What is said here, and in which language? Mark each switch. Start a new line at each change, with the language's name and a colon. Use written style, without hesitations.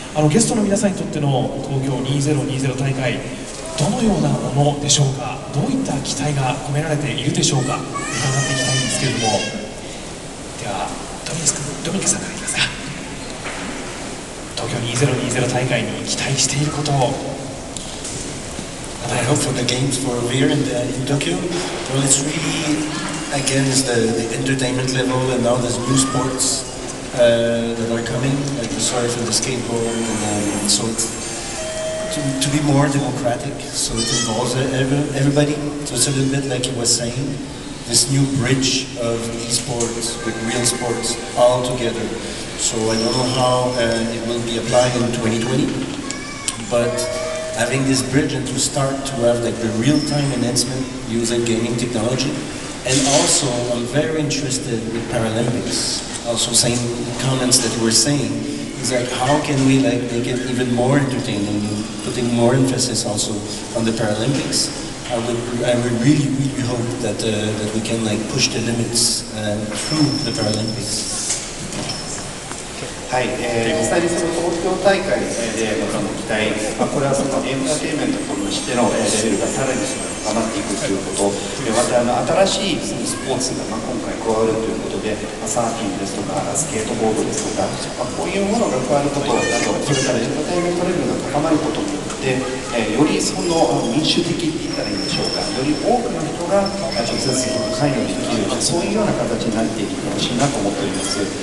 Japanese: ゲストの皆さんにとっての東京2020大会どのようなものでしょうか。どういった期待が込められているでしょうか。伺っていきたいんですけれども、ではドミニクさんからいきますか。東京2020大会に期待していることを。
English: And I hope for the games for Rear in Tokyo. Well, it's really again is the entertainment level and all these new sports that are coming. Like the surf and the skateboard and so it's. To be more democratic, so it involves everybody. So it's a little bit like you were saying, this new bridge of esports with real sports all together. So I don't know how it will be applied in 2020, but having this bridge and to start to have like the real-time enhancement using gaming technology. And also, I'm very interested with Paralympics. Also, same comments that you were saying. It's like, how can we like make it even more entertaining, putting more emphasis also on the Paralympics? I would really, really hope that that we can like push the limits through the Paralympics.
Japanese: はい、実際にその東京大会で、その期待、まあ、これはそのエンターテインメントとしてのレベルがさらに上がっていくということ、またあの新しいそのスポーツが、まあ、今回加わるということで、まあ、サーフィンですとか、スケートボードですとか、まあ、こういうものが加わることだと、それからエンターテインメントレベルが高まることによって、よりその民主的って言ったらいいんでしょうか、より多くの人が直接その関与できる、そういうような形になっていってほしいなと思っております。